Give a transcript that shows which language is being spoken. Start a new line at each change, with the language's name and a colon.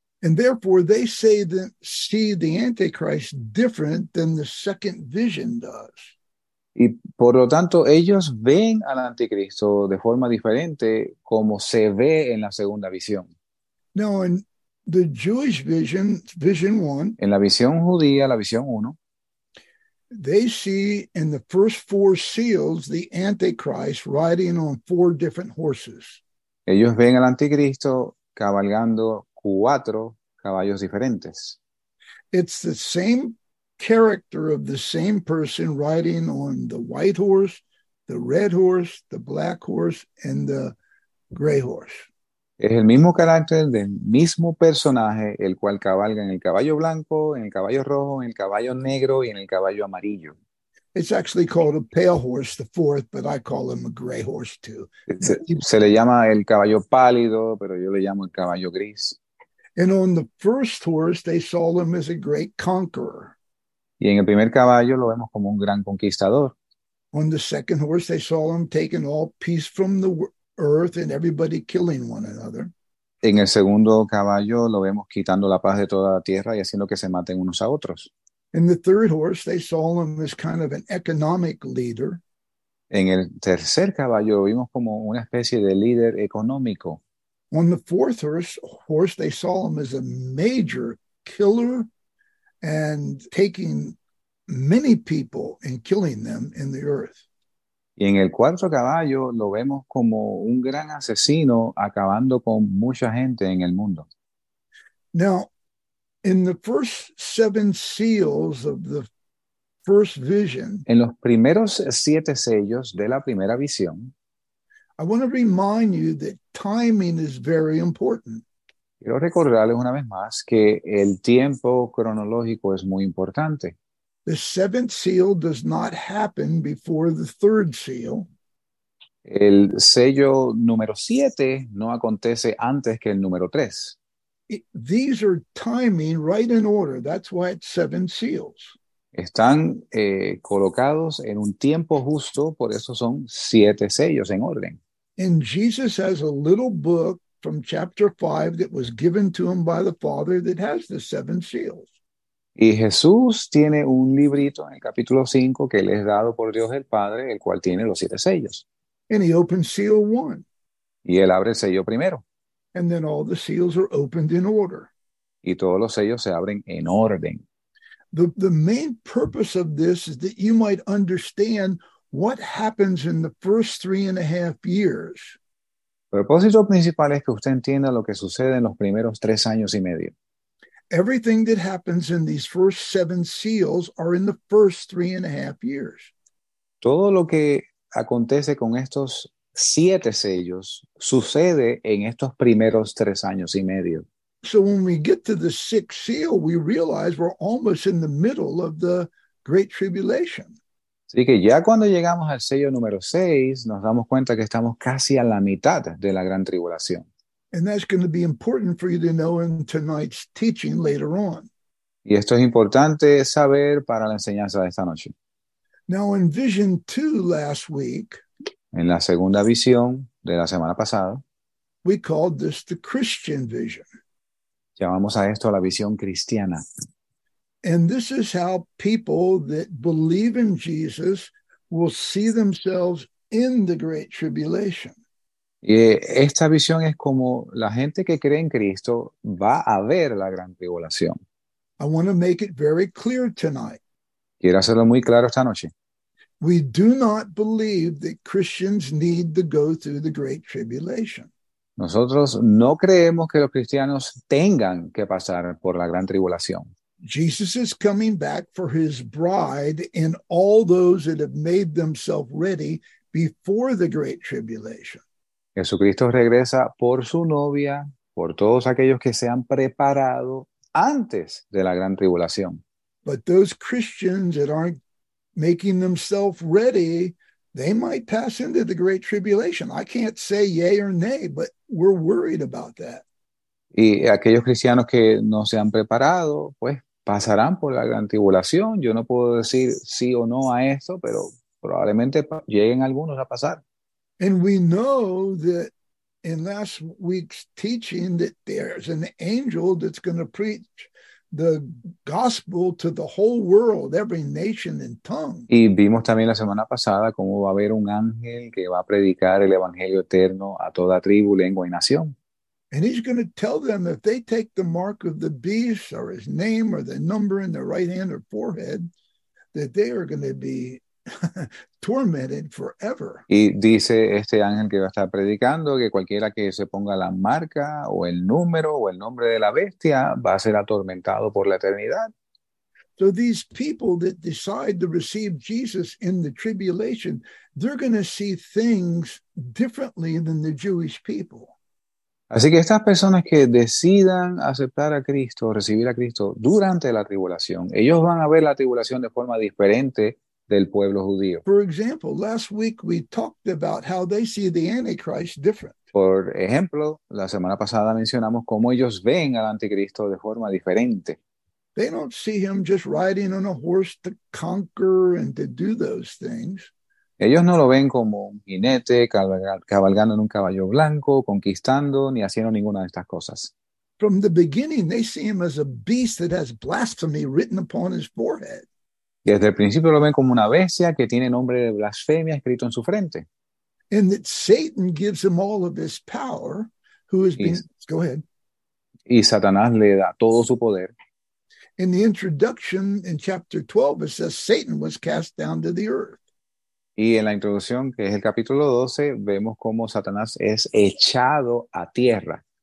English: And therefore they say that see the Antichrist different than the second vision does.
Spanish: Y por lo tanto ellos ven al anticristo de forma diferente como se ve en la segunda visión.
English: Now in the Jewish vision, vision one.
Spanish: En la visión judía, la visión uno.
English: They see in the first four seals the Antichrist riding on four different horses.
Spanish: Ellos ven al anticristo cabalgando cuatro caballos diferentes.
English: It's the same character of the same person riding on the white horse, the red horse, the black horse, and the gray horse.
Spanish: Es el mismo carácter del mismo personaje, el cual cabalga en el caballo blanco, en el caballo rojo, en el caballo negro y en el caballo amarillo.
English: It's actually called a pale horse, the fourth, but I call him a gray horse too.
Spanish: Se le llama el caballo pálido, pero yo le llamo el caballo gris.
English: And on the first horse, they saw him as a great conqueror.
Spanish: Y en el primer caballo lo vemos como un gran conquistador.
English: On the second horse, they saw him taking all peace from the world. Earth and everybody killing one another.
Spanish: En el segundo caballo lo vemos quitando la paz de toda la tierra y haciendo que se maten unos a otros.
English: In the third horse, they saw him as kind of an economic leader.
Spanish: En el tercer caballo lo vimos como una especie de líder económico.
English: On the fourth horse, they saw him as a major killer and taking many people and killing them in the earth.
Spanish: Y en el cuarto caballo lo vemos como un gran asesino acabando con mucha gente en el mundo.
English: Now, in the first seven seals of the first vision,
Spanish: en los primeros siete sellos de la primera visión,
English: I want to remind you that timing is very important.
Spanish: Quiero recordarles una vez más que el tiempo cronológico es muy importante.
English: The seventh seal does not happen before the third seal.
Spanish: El sello número siete no acontece antes que el número tres.
English: These are timing right in order. That's why it's seven seals.
Spanish: Están colocados en un tiempo justo, por eso son siete sellos en orden.
English: And Jesus has a little book from chapter 5 that was given to him by the Father that has the seven seals.
Spanish: Y Jesús tiene un librito en el capítulo 5 que le es dado por Dios el Padre, el cual tiene los siete sellos.
English: And he opens seal one.
Spanish: Y él abre el sello primero.
English: And then all the seals are opened in order.
Spanish: Y todos los sellos se abren en orden.
English: The main purpose of this is that you might understand what happens in the first 3.5 years.
Spanish: El propósito principal es que usted entienda lo que sucede en los primeros 3 años y medio.
English: Everything that happens in these first 7 seals are in the first 3.5 years.
Spanish: Todo lo que acontece con estos 7 sellos sucede en estos primeros 3 años y medio.
English: So when we get to the 6th seal, we realize we're almost in the middle of the Great Tribulation.
Spanish: Así que ya cuando llegamos al sello número 6, nos damos cuenta que estamos casi a la mitad de la Gran Tribulación.
English: And that's going to be important for you to know in tonight's teaching later on.
Spanish: Y esto es importante saber para la enseñanza de esta noche.
English: Now in Vision 2 last week,
Spanish: en la segunda visión de la semana pasada,
English: we called this the Christian vision.
Spanish: Llamamos a esto la visión cristiana.
English: And this is how people that believe in Jesus will see themselves in the great tribulation.
Spanish: Y esta visión es como la gente que cree en Cristo va a ver la gran tribulación.
English: I want to make it very clear tonight.
Spanish: Quiero hacerlo muy claro esta noche.
English: We do not believe that Christians need to go through the great tribulation.
Spanish: Nosotros no creemos que los cristianos tengan que pasar por la gran tribulación.
English: Jesus is coming back for his bride and all those that have made themselves ready before the great tribulation.
Spanish: Jesucristo regresa por su novia, por todos aquellos que se han preparado antes de la gran tribulación.
English: But those Christians that aren't making themselves ready, they might pass into the great tribulation. I can't say yay or nay, but we're worried about that.
Spanish: Y aquellos cristianos que no se han preparado, pues pasarán por la gran tribulación. Yo no puedo decir sí o no a esto, pero probablemente lleguen algunos a pasar.
English: And we know that in last week's teaching that there's an angel that's going to preach the gospel to the whole world, every nation and tongue.
Spanish: Y vimos también la semana pasada cómo va a haber un ángel que va a predicar el evangelio eterno a toda tribu, lengua y nación.
English: And he's going to tell them if they take the mark of the beast or his name or the number in their right hand or forehead, that they are going to be tormented forever.
Spanish: Y dice este ángel que va a estar predicando que cualquiera que se ponga la marca o el número o el nombre de la bestia va a ser atormentado por la eternidad.
English: So these people that decide to receive Jesus in the tribulation, they're going to see things differently than the Jewish people.
Spanish: Así que estas personas que decidan aceptar a Cristo, recibir a Cristo durante la tribulación, ellos van a ver la tribulación de forma diferente del pueblo judío.
English: For example, last week we talked about how they see the Antichrist different.
Spanish: Por ejemplo, la semana pasada mencionamos cómo ellos ven al anticristo de forma diferente.
English: They don't see him just riding on a horse to conquer and to do those things.
Spanish: Ellos no lo ven como un jinete cabalgando en un caballo blanco, conquistando ni haciendo ninguna de estas cosas.
English: From the beginning, they see him as a beast that has blasphemy written upon his forehead.
Spanish: Desde el principio lo ven como una bestia que tiene nombre de blasfemia escrito en su frente.
English: And that Satan gives him all of his power, who has been, go ahead.
Spanish: Y Satanás le da todo su poder.
English: In the introduction in chapter 12, it says Satan was cast down to the earth.
Spanish: Y en la introducción, que es el capítulo 12, vemos cómo Satanás es echado a tierra.